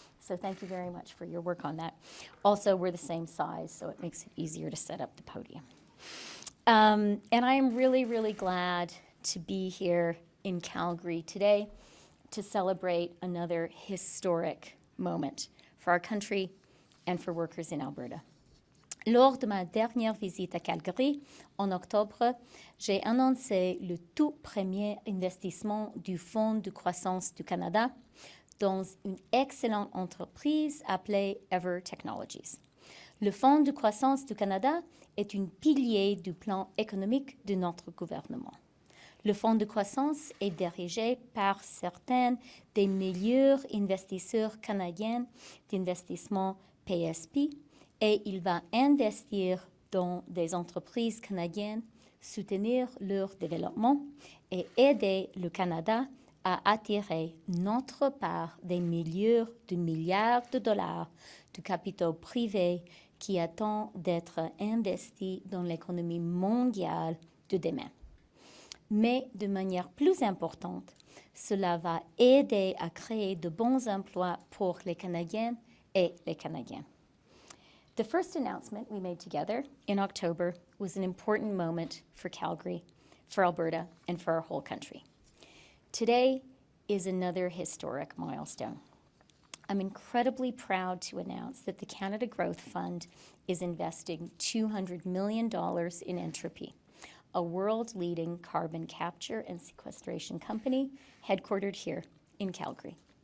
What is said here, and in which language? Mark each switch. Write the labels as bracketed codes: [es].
[en] So thank you very much for your work on that. Also, we're the same size, so it makes it easier to set up the podium. And I am really, really glad to be here in Calgary today to celebrate another historic moment for our country and for workers in Alberta. [fr] Lors de ma dernière visite à Calgary en octobre, j'ai annoncé le tout premier investissement du Fonds de croissance du Canada dans une excellente entreprise appelée Ever Technologies. Le Fonds de croissance du Canada est un pilier du plan économique de notre gouvernement. Le Fonds de croissance est dirigé par certains des meilleurs investisseurs canadiens d'investissement PSP et il va investir dans des entreprises canadiennes, soutenir leur développement et aider le Canada à attirer notre part des milliers de milliards de dollars de capitaux privés qui attend d'être investis dans l'économie mondiale de demain. Mais de manière plus importante, cela va aider à créer de bons emplois pour les Canadiennes et les Canadiens. [en] The first announcement we made together in October was an important moment for Calgary, for Alberta, and for our whole country. Today is another historic milestone. I'm incredibly proud to announce that the Canada Growth Fund is investing $200 million in Entropy, a world-leading carbon capture and sequestration company headquartered here in Calgary.